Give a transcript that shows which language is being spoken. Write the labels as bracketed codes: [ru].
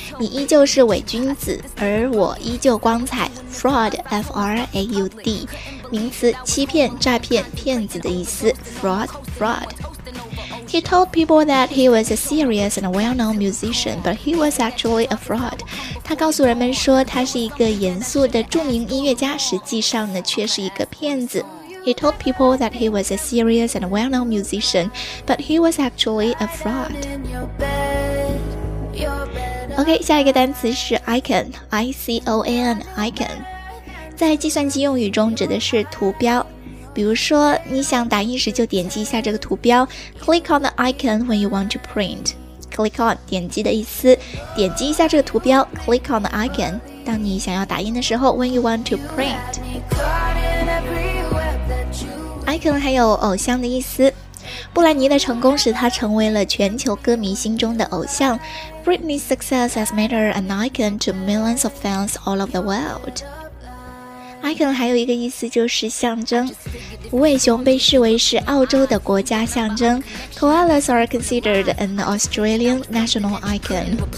[zh] 你依旧是伪君子，而我依旧光彩。 Fraud, F-R-A-U-D, 名词，欺骗、诈骗、骗子的意思。 [en] Fraud, fraud. He told people that he was a serious and well-known musician, but he was actually a fraud. [zh] 他告诉人们说他是一个严肃的著名音乐家，实际上呢却是一个骗子。 [en] He told people that he was a serious and well-known musician, but he was actually a fraud. OK, [zh] 下一个单词是 icon, I-C-O-N, icon. 在计算机用语中指的是图标。比如说你想打印时就点击一下这个图标 [en] Click on the icon when you want to print [zh] Click on 点击的意思点击一下这个图标 [en] Click on the icon [zh] 当你想要打印的时候 [en] When you want to print [zh] Icon 还有偶像的意思布兰妮的成功使她成为了全球歌迷心中的偶像 [en] Britney's success has made her an icon to millions of fans all over the worldIcon [zh] 还有一个意思就是象征。无尾熊被视为是澳洲的国家象征。 [en] Koalas are considered an Australian national icon.